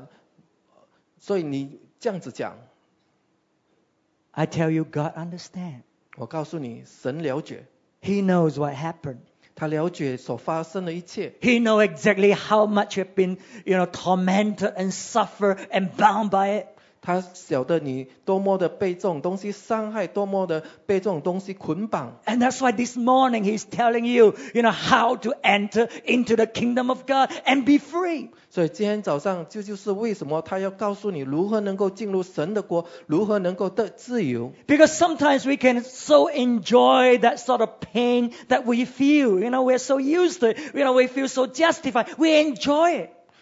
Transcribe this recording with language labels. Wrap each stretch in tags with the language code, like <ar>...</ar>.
<zh>或者是我不要你，有一些人呢，看着我，你讲，哦，你不了解我的所发生的事情，我的经历，所以你这样子讲。</zh> <en>I tell you, God understands.</en> <zh>我告诉你，神了解。</zh> <en>He knows what happened.</en> <zh>他了解所发生的一切。</zh> <en>He know exactly how much you've been, you know, tormented and suffered and bound by it.</en> <zh>他晓得你多么的被这种东西伤害，多么的被这种东西捆绑。</zh> <en>And that's why this morning he's telling you, you know, how to enter into the kingdom of God and be free.</en> <zh>所以今天早上就是为什么他要告诉你如何能够进入神的国，如何能够得自由。</zh> <en>Because sometimes we can so enjoy that sort of pain that we feel, you know, we're so used to it, you know, we feel so justified, we enjoy it.</en>